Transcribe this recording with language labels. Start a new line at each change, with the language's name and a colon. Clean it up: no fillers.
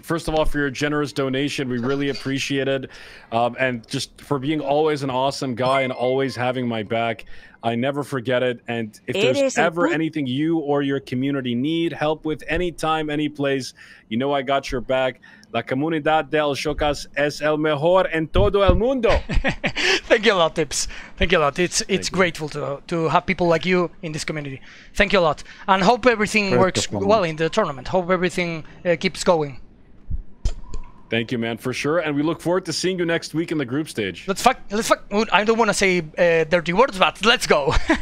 English: First of all, for your generous donation, we really appreciate it. And just for being always an awesome guy and always having my back, I never forget it. And if there's ever anything you or your community need help with, anytime, any place, you know I got your back.
Spanish: La comunidad de El Shokas es el mejor en todo el mundo.
English: Thank you a lot, Tips. Thank you a lot. It's grateful to have people like you in this community. Thank you a lot. And hope everything works well in the tournament. Hope everything keeps going. Thank you, man, for sure. And we look forward to seeing you next week in the group stage. Let's fuck. I don't want to say dirty words, but let's go.